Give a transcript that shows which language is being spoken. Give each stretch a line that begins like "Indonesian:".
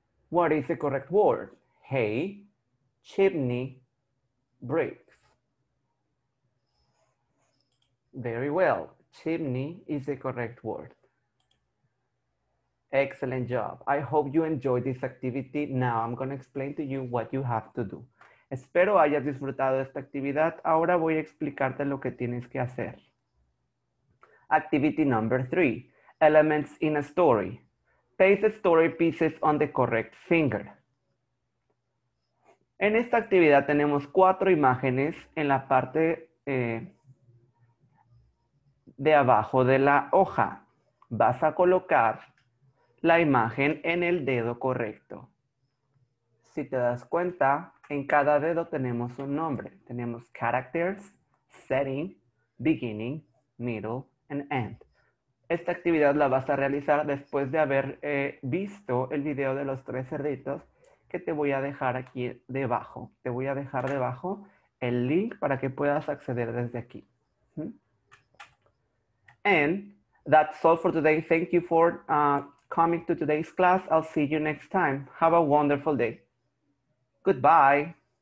English: What is the correct word? Hay, chimney, bricks. Very well. Chimney is the correct word. Excellent job. I hope you enjoyed this activity. Now I'm going to explain to you what you have to do.
Spanish: Espero hayas disfrutado esta actividad. Ahora voy a explicarte lo que tienes que hacer.
English: Activity number 3, elements in a story. Paste the story pieces on the correct finger.
Spanish: En esta actividad tenemos 4 imágenes en la parte de abajo de la hoja. Vas a colocar la imagen en el dedo correcto. Si te das cuenta, en cada dedo tenemos un nombre. Tenemos
English: characters, setting, beginning, middle, and end.
Spanish: Esta actividad la vas a realizar después de haber visto el video de los 3 cerditos que te voy a dejar aquí debajo. Te voy a dejar debajo el link para que puedas acceder desde aquí.
English: And that's all for today. Thank you for coming to today's class. I'll see you next time. Have a wonderful day. Goodbye.